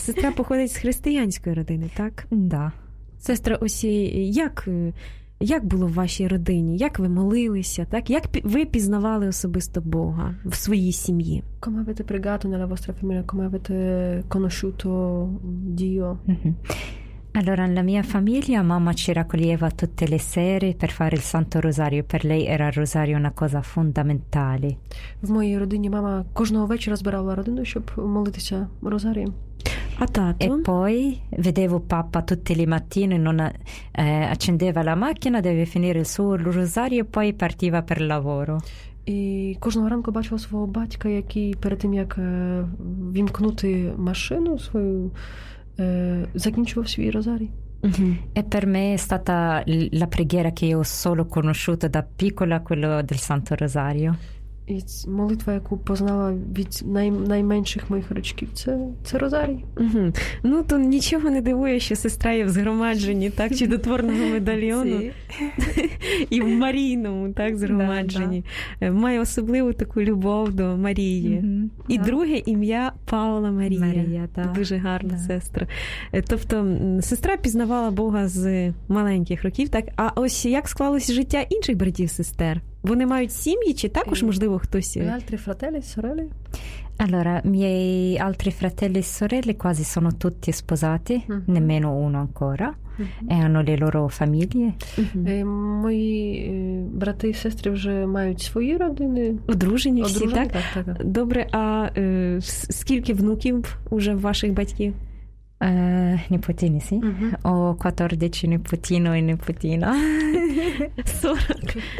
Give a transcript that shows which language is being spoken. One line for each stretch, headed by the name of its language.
Ukrainian: Сестра походить з християнської родини, так? Да. Сестра, ось як було в вашій родині? Як ви молилися? Так? Як ви пізнавали особисто Бога в своїй сім'ї?
Italian: Come avete pregato nella vostra famiglia? Come avete conosciuto Dio? Allora, la mia famiglia, mamma ci raccoglieva tutte le sere per fare il Santo Rosario. Per lei era il rosario una cosa fondamentale.
Ukrainian: В моїй родині мама кожного вечора збирала родину, щоб молитися розарі. А тато?
Italian: E poi vedevo papà tutte le mattine, accendeva la macchina, deve finire il suo rosario e poi partiva per lavoro.
Ukrainian: І кожного ранку бачила свого батька, який перед тим, як вімкнути машину свою, закінчував свій розарій.
Italian: E per me è stata la preghiera che io ho solo conosciuto da piccola, quello del Santo Rosario.
Ukrainian: І молитва, яку познала від найменших моїх річків, це розарій. Ну, то нічого не дивує, що сестра є в згромадженні, так, чудотворного медальйону. І в Марійному, так, згромадженні. Має особливу таку любов до Марії. І друге ім'я Паула Марія. Дуже гарна сестра. Тобто, сестра пізнавала Бога з маленьких років, так? А ось як склалось життя інших братів-сестер? Вони мають сім'ї чи також, можливо, хтось?
Italian: Gli altri fratelli, sorelle? Allora, miei altri fratelli e sorelle quasi sono tutti sposati, nemmeno uno ancora, e hanno le loro famiglie.
Ukrainian: Мої брати і сестри вже мають свої родини. Одружені всі, так? Добре, а скільки внуків вже ваших батьків?
Italian: Nipotini, sì. Ho 14 nipotino e nipotina.
Ukrainian: 40.